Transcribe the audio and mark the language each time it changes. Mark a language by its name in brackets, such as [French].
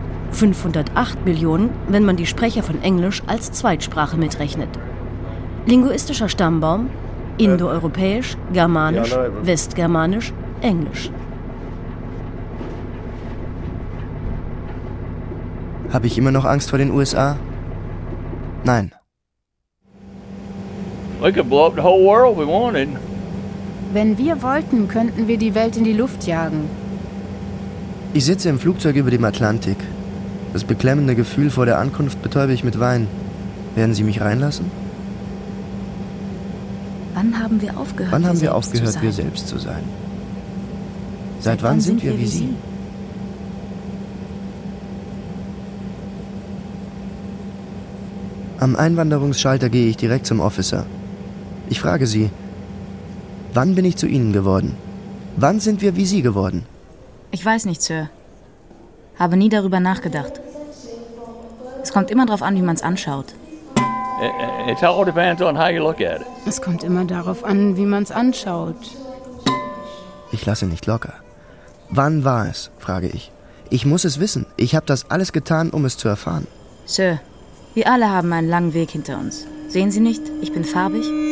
[German] 508 Millionen, wenn man die Sprecher von Englisch als Zweitsprache mitrechnet. Linguistischer Stammbaum: Indoeuropäisch, Germanisch, Westgermanisch, Englisch. Habe ich immer noch Angst vor den USA? Nein. [English] We could blow up the whole world if we wanted. [German] Wenn wir wollten, könnten wir die Welt in die Luft jagen. Ich sitze im Flugzeug über dem Atlantik. Das beklemmende Gefühl vor der Ankunft betäube ich mit Wein. Werden Sie mich reinlassen? Wann haben wir aufgehört, wir selbst zu sein? Seit wann sind wir wie Sie? Am Einwanderungsschalter gehe ich direkt zum Officer. Ich frage Sie, wann bin ich zu Ihnen geworden? Wann sind wir wie Sie geworden? Ich weiß nicht, Sir. Habe nie darüber nachgedacht. Es kommt immer darauf an, wie man es anschaut. [English] It all depends on how you look at it. [German] Es kommt immer darauf an, wie man es anschaut. Ich lasse nicht locker. Wann war es, frage ich. Ich muss es wissen. Ich habe das alles getan, um es zu erfahren. Sir, wir alle haben einen langen Weg hinter uns. Sehen Sie nicht, ich bin farbig?